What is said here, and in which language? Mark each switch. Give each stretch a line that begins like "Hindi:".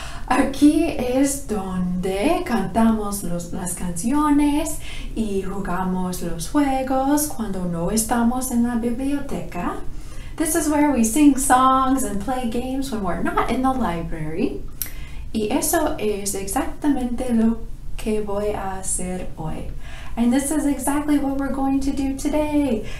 Spanish: Aquí es donde cantamos las canciones y jugamos los juegos cuando no estamos en la biblioteca.
English: This is where we sing songs and play games when we're not in the library.
Spanish: Y eso es exactamente lo que voy a hacer hoy.
English: And this is exactly what we're going to do today.